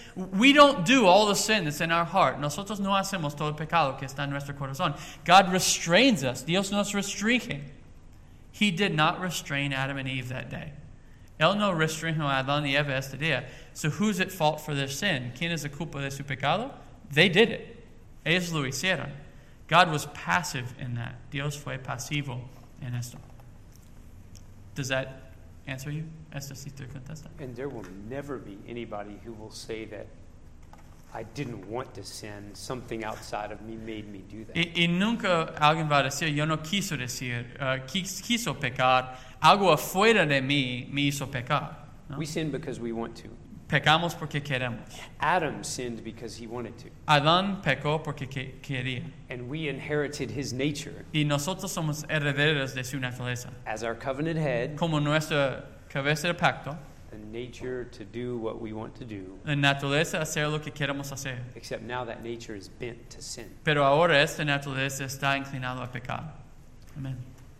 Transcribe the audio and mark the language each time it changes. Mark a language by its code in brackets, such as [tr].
[en] We don't do all the sin that's in our heart. [es] Nosotros no hacemos todo el pecado que está en nuestro corazón. [en] God restrains us. [es] Dios nos restringe. [en] He did not restrain Adam and Eve that day. [es] Él no restringió a Adán y Eva este día. [en] So who's at fault for their sin? [es] ¿Quién es la culpa de su pecado? [en] They did it. [es] Ellos lo hicieron. [en] God was passive in that. [es] Dios fue pasivo en esto. [en] Does that answer you? [es] Esto sí te contesta. [en] And there will never be anybody who will say that I didn't want to sin. Something outside of me made me do that. [es] Y nunca alguien va a decir, yo no quiso decir, quiso pecar. Algo afuera de mí me hizo pecar. ¿No? [en] We sin because we want to. [es] Pecamos porque queremos. [en] Adam sinned because he wanted to. [es] Adán pecó porque quería. [en] And we inherited his nature. [es] Y nosotros somos herederos de su naturaleza. [en] As our covenant head. [es] Como nuestra cabeza de pacto. [en] The nature to do what we want to do. [es] La naturaleza hacer lo que queremos hacer. [en] Except now that nature is bent to sin. [es] Pero ahora esta naturaleza está inclinada a pecar. Amén.